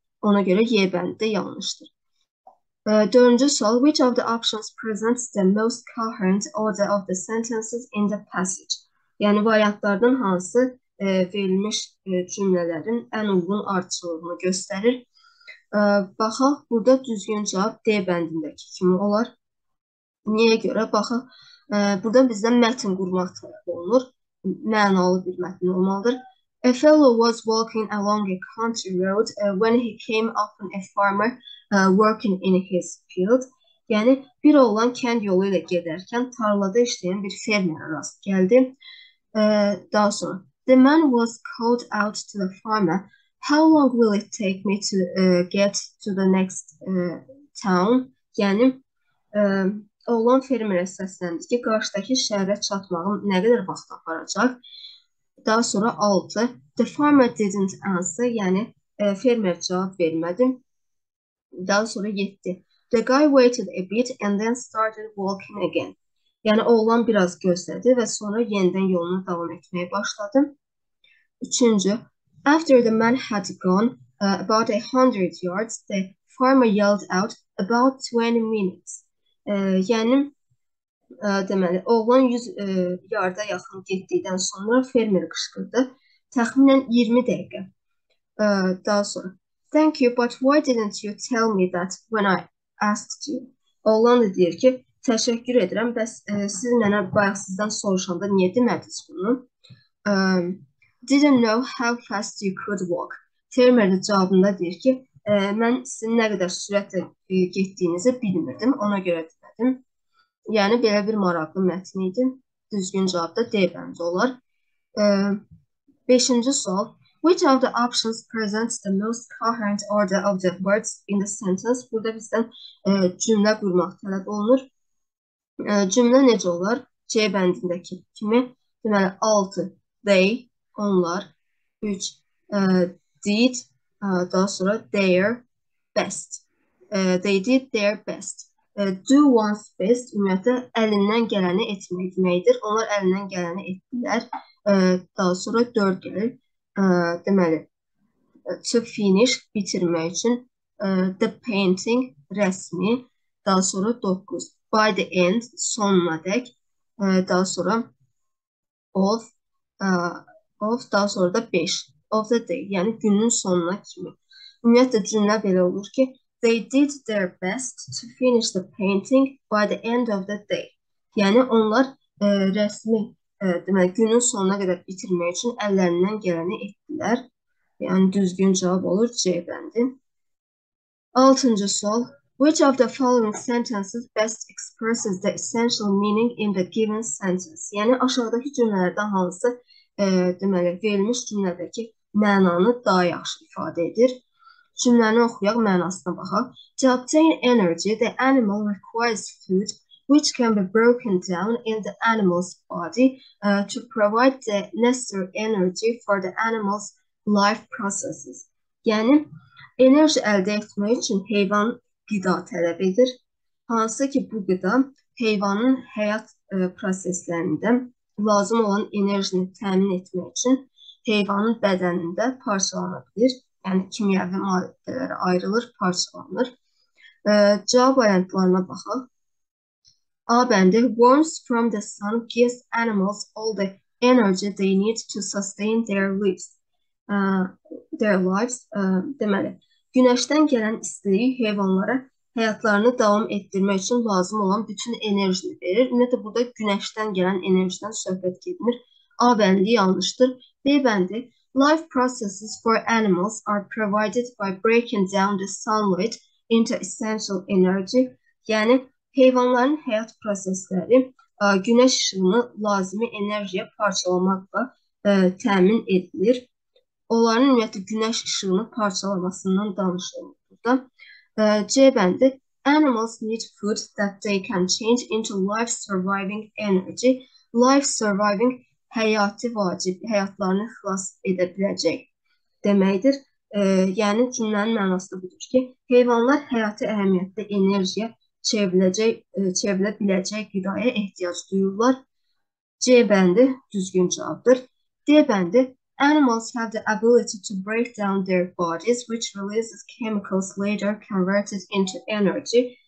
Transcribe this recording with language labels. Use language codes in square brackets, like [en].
[az] Ona görə Y bəndi də yanlışdır. Dördüncü sual. [en] Which of the options presents the most coherent order of the sentences in the passage? [az] Yəni, variantlardan hansı verilmiş cümlələrin ən uyğun artırılığını göstərir? Baxaq, burada düzgün cavab D bəndindəki kimi olar. Niyə görə? Baxaq, burada bizdən mətn qurmaq tələb olunur. Mənalı bir mətn olmalıdır. [en] A fellow was walking along a country road when he came upon a farmer working in his field. [az] Yəni, bir oğlan kənd yolu ilə gedərkən tarlada işləyən bir fermerə rast gəldi. Daha sonra, [en] the man was called out to the farmer. How long will it take me to get to the next town? [az] Yəni, oğlan fermerə səsləndi ki, qarşıdakı şəhərə çatmağım nə qədər vaxt aparacaq? Daha sonra 6. [en] The farmer didn't answer. [az] Yəni fermer cavab vermədi. Daha sonra 7. [en] The guy waited a bit and then started walking again. [az] Yəni oğlan biraz gözlədi və sonra yenidən yoluna davam etməyə başladı. 3. [en] After the man had gone about 100 yards, the farmer yelled out about 20 minutes. [az] Yəni deməli, oğlan 100 yarda yaxın getdikdən sonra fermer qışqırdı. Təxminən 20 dəqiqə. Daha sonra. [en] Thank you, but why didn't you tell me that when I asked you? [az] Oğlan da deyir ki, təşəkkür edirəm, bəs siz mənə bayaq sizdən soruşanda niyə demədiniz bunu? [en] Didn't know how fast you could walk. [az] Fermer də cavabında deyir ki, mən sizin nə qədər sürətlə getdiyinizi bilmirdim, ona görə demədim. Yəni, belə bir maraqlı mətn idi. Düzgün cavab da D bəndi olar. 5-ci sual. [en] Which of the options presents the most coherent order of the words in the sentence? [az] Burada bizdən cümlə qurmaq tələb olunur. Cümlə necə olar? C bəndindəki kimi. Deməli, 6. [en] They, [az] onlar. 3. [en] Did, [az] daha sonra [en] their best. They did their best. Do one's best, [az] ümumiyyətlə, əlindən gələni etmək deməkdir. Onlar əlindən gələni etdilər. Daha sonra 4 gəlir. Deməli, [en] to finish, [az] bitirmək üçün. [en] The painting, [az] rəsmi. Daha sonra 9. [en] By the end, [az] sonuna dək. Daha sonra [en] of. Of, [az] daha sonra da 5. [en] Of the day, [az] yəni günün sonuna kimi. Ümumiyyətlə, cümlə belə olur ki, [en] they did their best to finish the painting by the end of the day. [az] Yəni onlar rəsmi, deməli günün sonuna qədər bitirmək üçün əllərindən gələni etdilər. Yəni düzgün cavab olur C bəndi. 6-cı sual. [en] Which of the following sentences best expresses the essential meaning in the given sentence? [az] Yəni aşağıdakı cümlələrdən hansı deməli verilmiş cümlədəki mənanı daha yaxşı ifadə edir? Cümləni oxuyaq, mənasına baxaq. [en] To obtain energy, the animal requires food, which can be broken down in the animal's body to provide the necessary energy for the animal's life processes. [az] Yəni, enerji əldə etmək üçün heyvan qida tələb edir. Hansı ki, bu qida heyvanın həyat proseslərində lazım olan enerjini təmin etmək üçün heyvanın bədənində parçalana bilir. Yəni, kimyəvi maddələr ayrılır, parçalanır. Cavab variantlarına baxaq. A bəndi, [en] warmth from the sun gives animals all the energy they need to sustain their lives. [az] Deməli, günəşdən gələn istilik heyvanlara həyatlarını davam etdirmək üçün lazım olan bütün enerjini verir. Ümumiyyətlə, burada günəşdən gələn enerjidən söhbət gedmir. A bəndi yanlışdır. B bəndi, [en] Life processes for animals are provided by breaking down the sunlight into essential energy. [az] Yani hayvanların hayat prosesleri güneş ışığını lazımi enerjiye parçalamakla temin edilir. Onların ümumiyyətli güneş ışığını parçalamasından danışılır burada. C bendi. [en] Animals need food that they can change into life surviving energy. Life surviving [az] hayati vacib, hayatlarını xilas edə biləcək deməkdir. Yəni cümlənin mənası da budur ki, heyvanlar hayati əhəmiyyətli enerjiyə çevrilə biləcək qidaya ehtiyac duyurlar. C bəndi düzgün cavabdır. D bəndi [en] Animals have the ability to break down their bodies, which releases chemicals later converted into energy.